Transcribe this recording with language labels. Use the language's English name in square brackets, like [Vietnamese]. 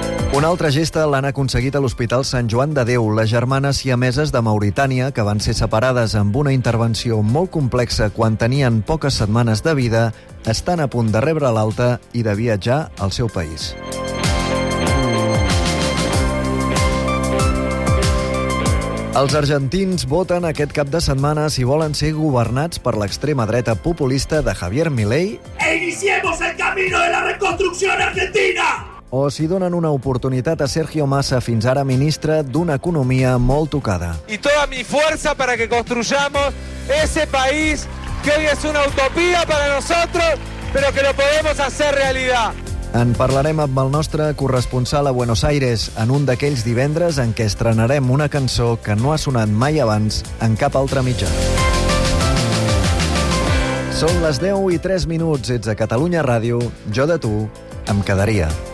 [Catalan] Una altra gesta l'han aconseguit a l'Hospital Sant Joan de Déu, les germanes siameses de Mauritània, que van ser separades amb una intervenció molt complexa quan tenien poques setmanes de vida, estan a punt de rebre l'alta i de viatjar al seu país. Els argentins voten aquest cap de setmana si volen ser governats per l'extrema dreta populista de Javier Milei. [Spanish] Iniciemos el camino de la reconstrucción argentina! [Catalan] O si donen una oportunitat a Sergio Massa, fins ara ministre d'una economia molt tocada. [Spanish] Y toda mi fuerza para que construyamos ese país que hoy es una utopía para nosotros, pero que lo podemos hacer realidad. [Catalan] En parlarem amb el nostre corresponsal a Buenos Aires en un d'aquells divendres en què estrenarem una cançó que no ha sonat mai abans en cap altre mitjà. Són les 10 i 3 minuts, ets a Catalunya Ràdio, jo de tu em quedaria.